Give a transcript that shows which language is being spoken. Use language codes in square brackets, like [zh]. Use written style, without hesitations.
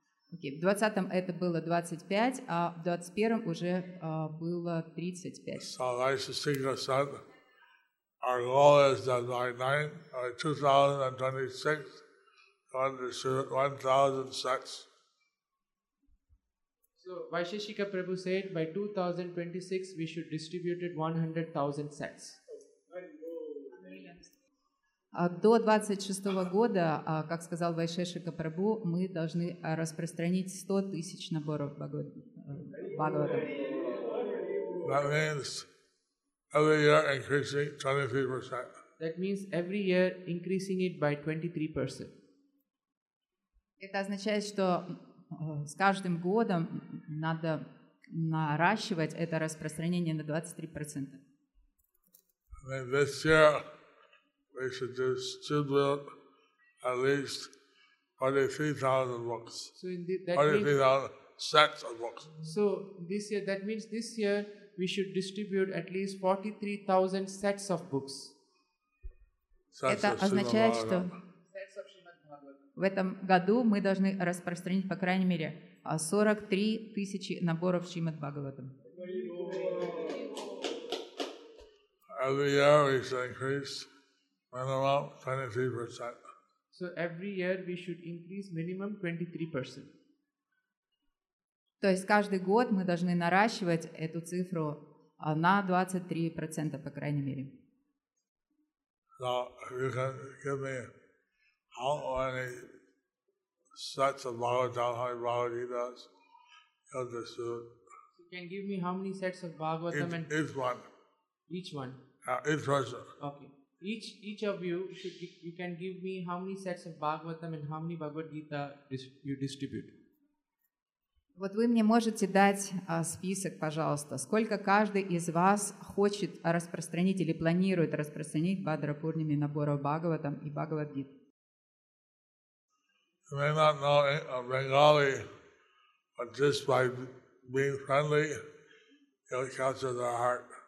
[ru] Окей, в 20-м это было 25, а в 21-м уже было 35. [en] So Raisa Sikha said, our goal is that by 2026, we want to distribute 1,000 sets. So Vaisheshika Prabhu said, by 2026, we should distribute 100,000 sets. [ru] До 26 года, как сказал Вайшешика Прабху, мы должны распространить 100 тысяч наборов Бхагаватам. [en] That means every year increasing 23%. That means every year increasing it by 23%. [ru] Это означает, что с каждым годом надо наращивать это распространение на 23%. [en] This year we should distribute at least 43,000 books. So indeed, 43,000 sets of books. So this year, that means this year we should distribute at least 43,000 sets of books. [ru] Это означает, что в этом году мы должны распространить по крайней мере 43,000 наборов Шримад Бхагаватам. [en] Every year we should increase minimum 23%. So every year we should increase minimum 23%. [ru] То есть каждый год мы должны наращивать эту цифру на 23%, по крайней мере. [en] So if you can give me how many sets of Bhagavatam, how many Bhagavad Gita's, you have to suit. So can you give me how many sets of Bhagavatam each, and each one? Each one. Each person. Okay. Each of you should you can give me how many sets of Bhagavatam and how many Bhagavad Gita you distribute. [ru] Вот вы мне можете дать список, пожалуйста. Сколько каждый из вас хочет распространить или планирует распространить Бхадра Пурнима наборов Бхагаватам и Бхагавад Гит? [en] You may not know Bengali, but just by being friendly, you'll capture their heart.